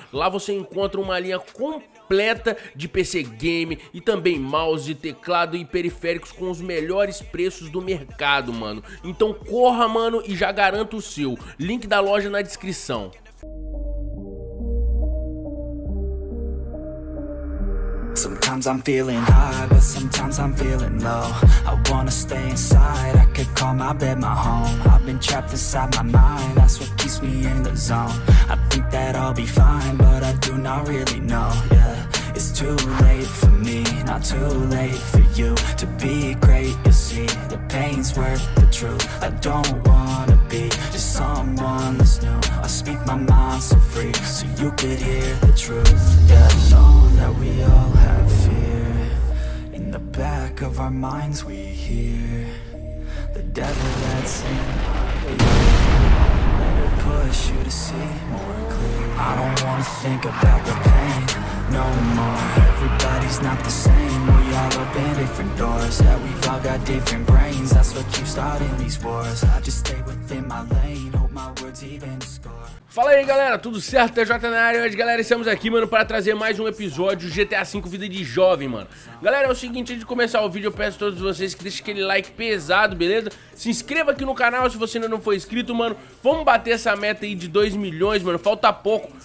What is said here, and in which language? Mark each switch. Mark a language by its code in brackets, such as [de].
[pt] Lá você encontra uma linha completa de PC game e também mouse, teclado e periféricos com os melhores preços do mercado, mano. Então corra, mano, e já garanta o seu. Link da loja na descrição. [en] Sometimes I'm feeling high, but sometimes I'm feeling low. I wanna stay inside, I could call my bed my home. I've been trapped inside my mind, that's what keeps me in the zone. I think that I'll be fine, but I do not really know. Yeah, it's too late for me, not too late for you. To be great, you see, the pain's worth the truth. I don't wanna be just someone that's new. I speak my mind so free, so you could hear the truth. Yeah, I know that we all have fear. In the back of our minds we hear the devil that's in our ear. Let it push you to see more clear. I don't wanna think about the pain no more. Everybody's not the same. We all open different doors. Yeah, we've all got different brains. That's what keeps starting these wars. I just stay within my lane. Hope my words even score. [pt] Fala aí, galera, tudo certo? TJ na área. Hoje, galera, estamos aqui, mano, para trazer mais um episódio GTA V Vida de Jovem, mano. Galera, é o seguinte, antes de começar o vídeo, eu peço a todos vocês que deixem aquele like pesado, beleza? Se inscreva aqui no canal se você ainda não for inscrito, mano. Vamos bater essa meta aí de 2 milhões, mano, falta pouco.